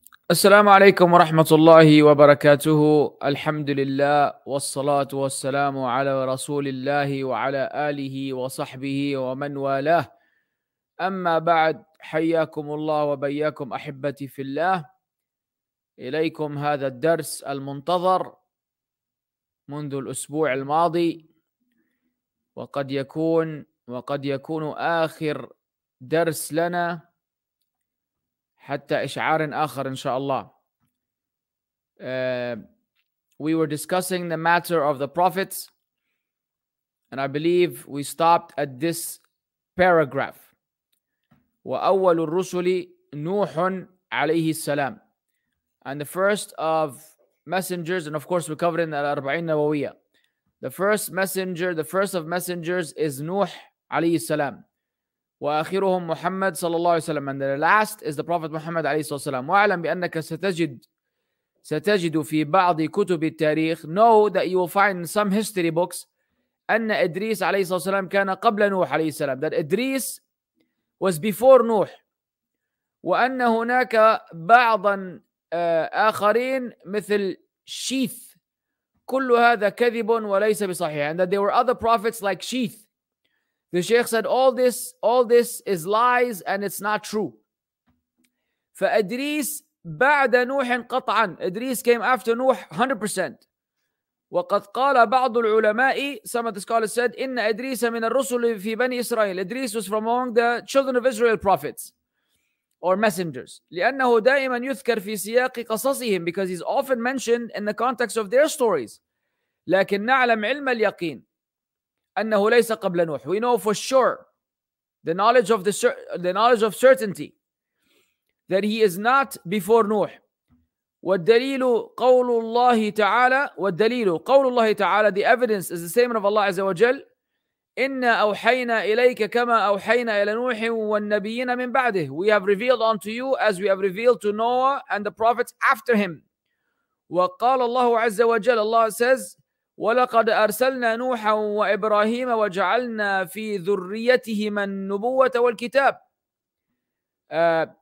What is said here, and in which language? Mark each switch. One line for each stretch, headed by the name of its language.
Arabic: السلام عليكم ورحمة الله وبركاته الحمد لله والصلاة والسلام على رسول الله وعلى آله وصحبه ومن والاه أما بعد حياكم الله وبياكم أحبتي في الله إليكم هذا الدرس المنتظر منذ الأسبوع الماضي وقد يكون آخر درس لنا حتى إشعار آخر إن شاء الله.
English: We were discussing the matter of the prophets, and I believe we stopped at this paragraph.
Arabic: وأول الرسل نوح عليه السلام,
English: and the first of messengers, and of course we covered in the 40 النووية. The first messenger, the first of messengers is نوح عليه السلام.
Arabic: وآخرهم محمد صلى الله عليه وسلم,
English: and the last is the Prophet Muhammad عليه الصلاة والسلام.
Arabic: وأعلم بأنك ستجد في بعض كتب التاريخ,
English: know that you will find in some history books
Arabic: أن إدريس عليه الصلاة والسلام كان قبل نوح عليه السلام,
English: that Idris was before
Arabic: نوح, وأن هناك بعضا آخرين مثل شيث, كل هذا كذب وليس بصحيح,
English: and that there were other prophets like شيث. The Sheikh said, all this is lies and it's not true.
Arabic: فإدريس بعد نوح قطعا. إدريس
English: came after
Arabic: نوح 100%. وقد قال بعض العلماء,
English: some of the scholars said,
Arabic: إن إدريس من الرسل في بني إسرائيل.
English: إدريس was from among the children of Israel prophets or messengers.
Arabic: لأنه دائما يذكر في سياق قصصهم,
English: because he's often mentioned in the context of their stories.
Arabic: لكن نعلم علم اليقين. أنه ليس قبل نوح.
English: We know for sure the knowledge of certainty that he is not before نوح.
Arabic: والدليل قول الله تعالى
English: the evidence is the statement of Allah
Arabic: عز وجل, إنا أوحينا إليك كما أوحينا إلى نوح والنبيين من بعده.
English: We have revealed unto you as we have revealed to Noah and the prophets after him.
Arabic: وقال الله عز وجل,
English: Allah says,
Arabic: وَلَقَدْ أَرْسَلْنَا نُوحًا وَإِبْرَاهِيمَ وَجَعَلْنَا فِي ذُرِّيَّتِهِمَا النُّبُوَّةَ وَالْكِتَابَ.